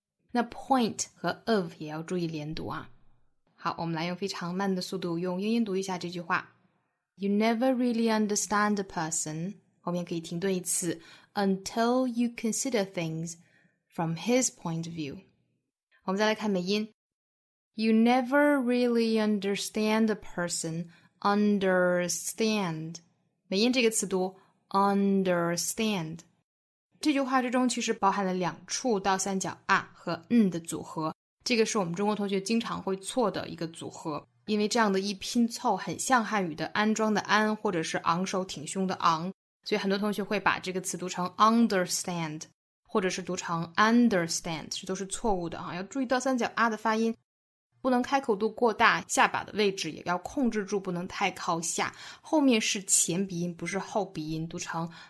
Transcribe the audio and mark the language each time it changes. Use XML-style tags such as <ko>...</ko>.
<zh>那 point 和 of 也要注意连读啊好我们来用非常慢的速度用英音读一下这句话</zh> <en>You never really understand a person,</en> <zh>后面可以停顿一次</zh> <en>until you consider things from his point of view.</en> <zh>我们再来看美音。</zh> <en>You never really understand a person, understand.</en> <zh>美音这个词读 understand. 这句话之中其实包含了两处倒三角 啊 和嗯的组合。这个是我们中国同学经常会错的一个组合。因为这样的一拼凑很像汉语的安装的安或者是昂首挺胸的昂所以很多同学会把这个词读成 understand 或者是读成 understand 这都是错误的要注意倒三角 R 的发音不能开口度过大下巴的位置也要控制住不能太靠下后面是前鼻音不是后鼻音读成</zh>